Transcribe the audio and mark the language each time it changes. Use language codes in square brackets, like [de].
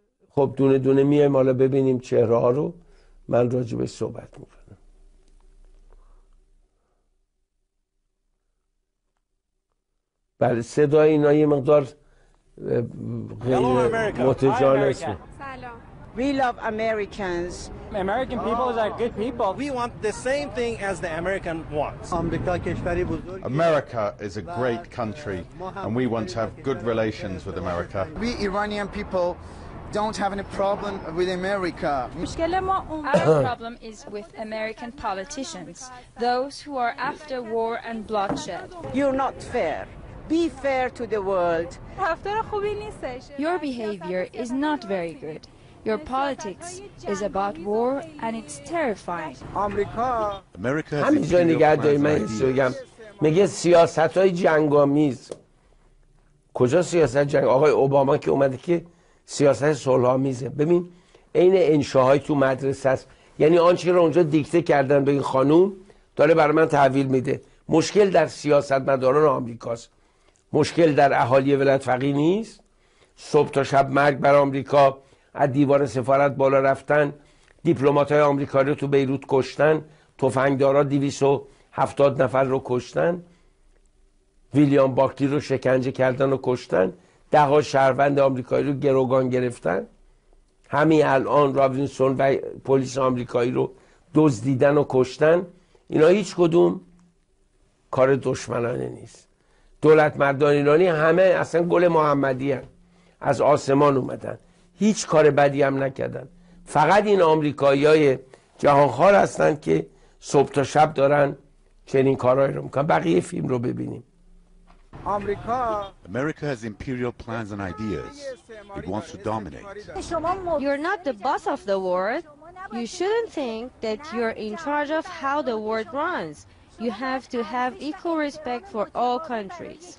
[fa] خب دونه دونه میایم حالا ببینیم چهره ها رو، من راجبش صحبت میکنم. بله صدای اینا یه مقدار غیر متجانسه. [en] We love Americans. American people are good people. We want the same thing as the American wants. America is a great country and we want to have good relations with America. We Iranian people don't have any problem with America. Our problem is with American politicians, those who are after war and bloodshed. You're not fair. Be fair to the world. Your behavior is not very good. Your politics is about war and it's terrifying. America is a dictatorship. [fa] میگه سیاست‌های جنگ‌آمیز. کجا سیاست جنگ؟ آقای اوباما که اومده که سیاست صلح‌آمیزه. ببین عین انشاهای تو مدرسه است. یعنی آنچه رو اونجا دیکته کردن به این خانم داره برای من تحویل میده. مشکل در سیاستمداران آمریکاست. مشکل در اهالی ولایت فقیه نیست. صبح تا شب مرگ بر آمریکا، از دیوار سفارت بالا رفتن، دیپلمات‌های آمریکایی رو تو بیروت کشتن، تفنگدارا 270 نفر رو کشتن، ویلیام باکلی رو شکنجه کردن و کشتن، ده ها شهروند آمریکایی رو گروگان گرفتن، همین الان رابینسون و پلیس آمریکایی رو دزدیدن و کشتن. اینا هیچ کدوم کار دشمنانه نیست. دولت مردان ایرانی همه اصلا گل محمدی هن. از آسمان اومدن، هیچ کار بدی هم نکردن. فقط این آمریکایی‌های جهانخوار هستن که صبح تا شب دارن چنین کارهایی رو میکنن. بقیه فیلم رو ببینیم. [en] America has imperial plans and ideas. It wants to dominate. You're not the boss of the world. You shouldn't think that you're in charge of how the world runs. You have to have equal respect for all countries.